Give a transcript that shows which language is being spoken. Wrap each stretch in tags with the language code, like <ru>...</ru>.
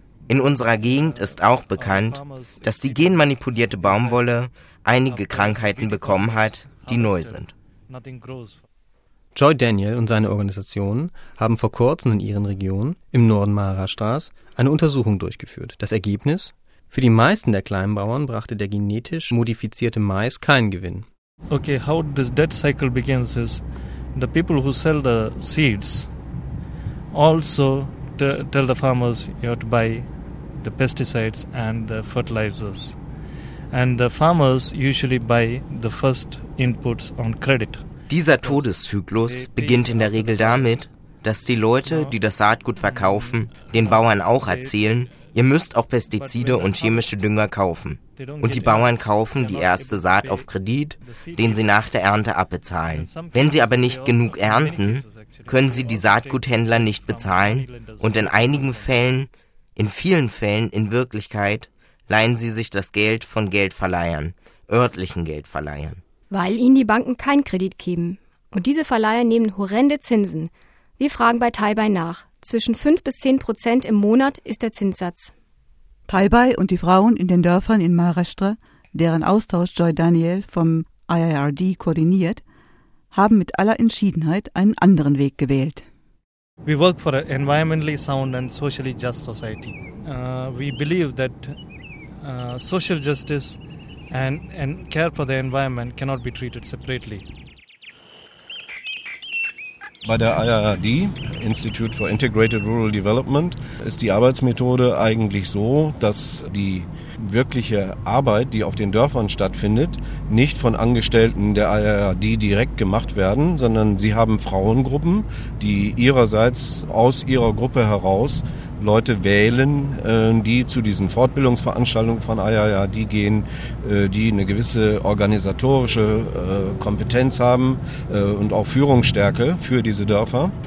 <de>In unserer Gegend ist auch bekannt, dass die genmanipulierte Baumwolle einige Krankheiten bekommen hat, die neu sind. Joy Daniel und seine Organisation haben vor kurzem in ihren Regionen im Norden Maharashtras eine Untersuchung durchgeführt. Das Ergebnis? Für die meisten der Kleinbauern brachte der genetisch modifizierte Mais keinen Gewinn.</de> <en>Okay, how this debt cycle begins is the people who sell the seeds also tell the farmers you have to buy the pesticides and the fertilizers. And the farmers usually buy the first inputs on credit.</en> <de>Dieser Todeszyklus beginnt in der Regel damit, dass die Leute, die das Saatgut verkaufen, den Bauern auch erzählen, ihr müsst auch Pestizide und chemische Dünger kaufen. Und die Bauern kaufen die erste Saat auf Kredit, den sie nach der Ernte abbezahlen. Wenn sie aber nicht genug ernten, können sie die Saatguthändler nicht bezahlen und in einigen Fällen, in vielen Fällen in Wirklichkeit, leihen sie sich das Geld von Geldverleihern, örtlichen Geldverleihern. Weil ihnen die Banken keinen Kredit geben. Und diese Verleiher nehmen horrende Zinsen. Wir fragen bei Taibai nach. Zwischen 5-10% im Monat ist der Zinssatz. Taibai und die Frauen in den Dörfern in Maharashtra, deren Austausch Joy Daniel vom IIRD koordiniert, haben mit aller Entschiedenheit einen anderen Weg gewählt.</de> <en>We work for an environmentally sound and socially just society. We believe that social justice and care for the environment cannot be treated separately.</en> <de>Bei der IIRD, Institute for Integrated Rural Development, ist die Arbeitsmethode eigentlich so, dass die wirkliche Arbeit, die auf den Dörfern stattfindet, nicht von Angestellten der IIRD direkt gemacht werden, sondern sie haben Frauengruppen, die ihrerseits aus ihrer Gruppe heraus Leute wählen, die zu diesen Fortbildungsveranstaltungen von IIRD gehen, die eine gewisse organisatorische Kompetenz haben und auch Führungsstärke für diese Dörfer.</de>